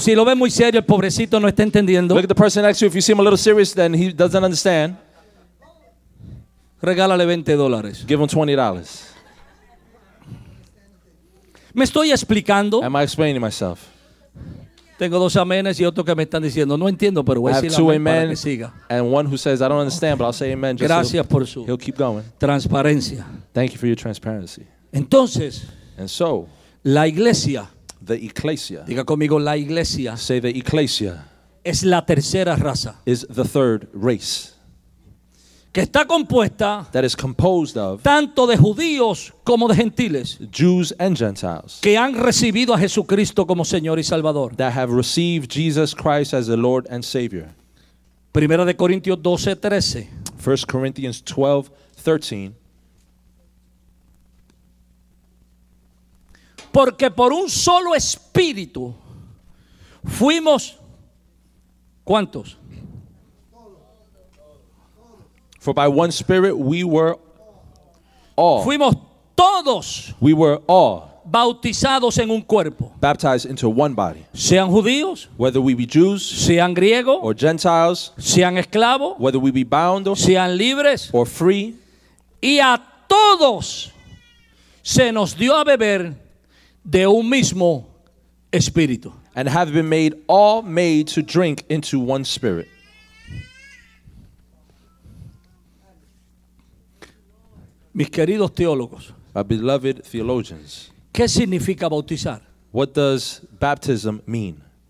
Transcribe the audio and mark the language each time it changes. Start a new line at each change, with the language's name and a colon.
Spanish: Si lo ve muy serio, el pobrecito no está entendiendo.
English: Look at the person next to you. If you see him a little serious, then he doesn't understand.
Spanish: Regálale $20.
English: Give him $20.
Spanish: Me estoy explicando.
English: Am I explaining myself?
Spanish: Tengo dos amenes y otro que me están diciendo, no entiendo, pero voy a decir la amén para que siga.
English: And one who says, I don't understand, but I'll say amen. Just
Spanish: gracias
English: so
Spanish: por su
English: he'll keep going.
Spanish: Transparencia.
English: Thank you for your transparency.
Spanish: Entonces,
English: and so,
Spanish: la iglesia,
English: the ecclesia,
Spanish: diga conmigo la iglesia,
English: say the ecclesia,
Spanish: es la tercera raza,
English: is the third race,
Spanish: que está compuesta,
English: that is composed of,
Spanish: tanto de judíos como de gentiles,
English: Jews and Gentiles,
Spanish: que han recibido a Jesucristo como Señor y Salvador,
English: that have received Jesus Christ as the Lord and Savior.
Spanish: Primera de Corintios 12, 13.
English: 1 Corinthians 12, 13.
Spanish: Porque por un solo espíritu fuimos, ¿cuántos?
English: For by one spirit we were all.
Spanish: Fuimos todos.
English: We were all.
Spanish: Bautizados en un cuerpo.
English: Baptized into one body.
Spanish: Sean judíos.
English: Whether we be Jews.
Spanish: Sean griegos.
English: Or Gentiles.
Spanish: Sean esclavos.
English: Whether we be bound.
Spanish: Sean libres.
English: Or free.
Spanish: Y a todos se nos dio a beber de un mismo espíritu.
English: And have been made all made to drink into one spirit.
Spanish: Mis queridos teólogos,
English: our beloved theologians.
Spanish: ¿Qué significa bautizar?
English: What does baptism mean?